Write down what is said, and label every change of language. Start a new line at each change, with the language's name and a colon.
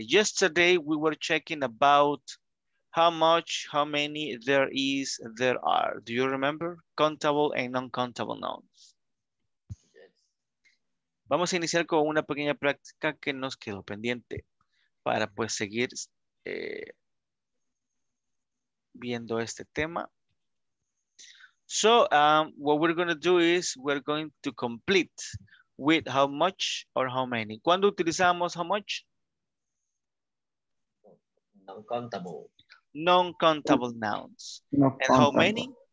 English: Yesterday we were checking about how much, how many there is, there are. Do you remember? Countable and non-countable nouns.
Spanish: Vamos a iniciar con una pequeña práctica que nos quedó pendiente para pues seguir viendo este tema.
English: So, what we're going to do is we're going to complete with how much or how many.
Spanish: ¿Cuándo utilizamos
English: how much? Non-countable. Non-countable nouns. Non-countable. And how many?